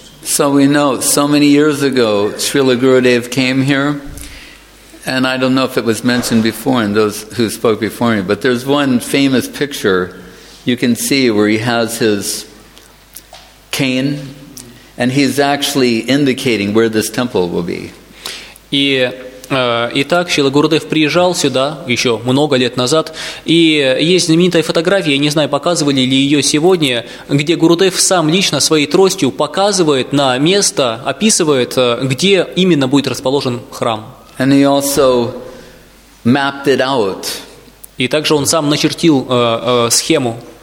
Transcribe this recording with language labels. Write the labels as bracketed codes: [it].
[en] So we know, so many years ago, Srila Gurudev came here. And I don't know if it was mentioned before in those who spoke before me, but there's one famous picture you can see where he has his cane, and he's actually indicating where this temple will be. [ru] Итак, Шрила Гурудев приезжал сюда еще много лет назад, и есть знаменитая фотография, я не знаю, показывали ли ее сегодня, где Гурудев сам лично своей тростью показывает на место, описывает, где именно будет расположен храм. [en] And he also mapped it out. [ru] И также он сам начертил схему.